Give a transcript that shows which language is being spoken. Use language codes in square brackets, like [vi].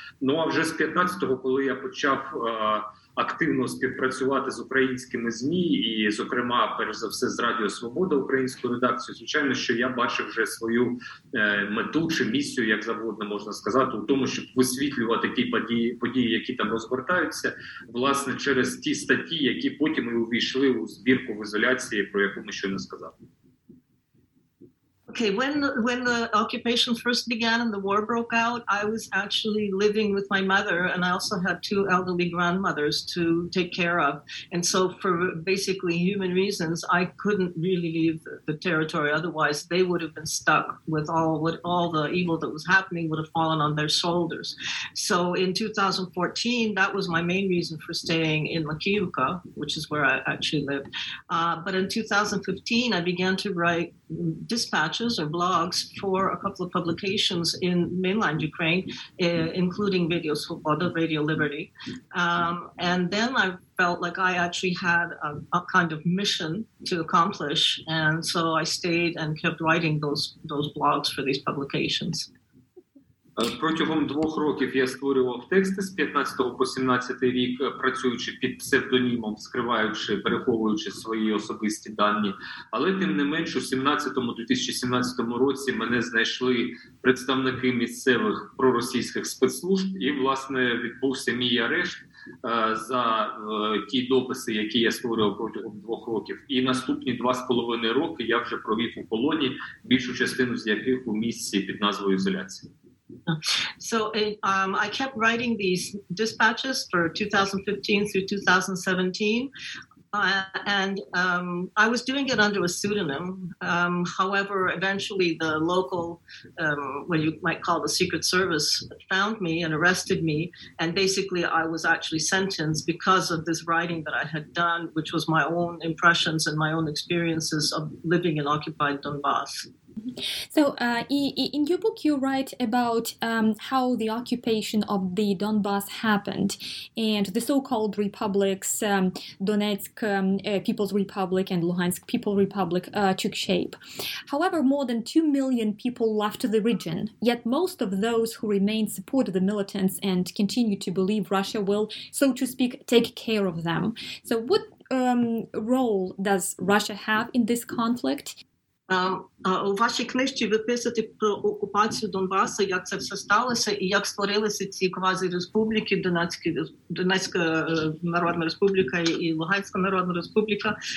[uk] Ну а вже з 15-го, коли я почав активно співпрацювати з українськими ЗМІ і, зокрема, перш за все, з Радіо Свобода, українською редакцією, звичайно, що я бачив вже свою мету чи місію, як завгодно можна сказати, у тому, щоб висвітлювати ті події, які там розгортаються, власне, через ті статті, які потім і увійшли у збірку в ізоляції, про яку ми щойно сказали. [en] Okay, when the occupation first began and the war broke out, I was actually living with my mother, and I also had two elderly grandmothers to take care of. And so for basically human reasons, I couldn't really leave the territory. Otherwise, they would have been stuck with all the evil that was happening would have fallen on their shoulders. So in 2014, that was my main reason for staying in Makiivka, which is where I actually lived. But in 2015, I began to write dispatches or blogs for a couple of publications in mainland Ukraine, including Radio Svoboda, Radio Liberty. And then I felt like I actually had a kind of mission to accomplish. And so I stayed and kept writing those blogs for these publications. [uk] Протягом двох років я створював тексти з 15 по 17 рік, працюючи під псевдонімом, скриваючи, переховуючи свої особисті дані. Але тим не менш, у 2017 році мене знайшли представники місцевих проросійських спецслужб, і, власне, відбувся мій арешт за ті дописи, які я створював протягом двох років. І наступні 2.5 роки я вже провів у полоні, більшу частину з яких у місці під назвою «Ізоляція». [en] So I kept writing these dispatches for 2015 through 2017, and I was doing it under a pseudonym. However, eventually the local, what you might call the Secret Service, found me and arrested me, and basically I was actually sentenced because of this writing that I had done, which was my own impressions and my own experiences of living in occupied Donbass. So in your book, you write about how the occupation of the Donbass happened and the so-called republics, Donetsk People's Republic and Luhansk People's Republic, took shape. However, more than 2 million people left the region, yet most of those who remained supported the militants and continue to believe Russia will, so to speak, take care of them. So what role does Russia have in this conflict? [uk] У вашій книжці ви писаєте про окупацію Донбасу, як це все сталося і як створилися ці квазі-республіки, Донецька Народна Республіка і Луганська Народна Республіка.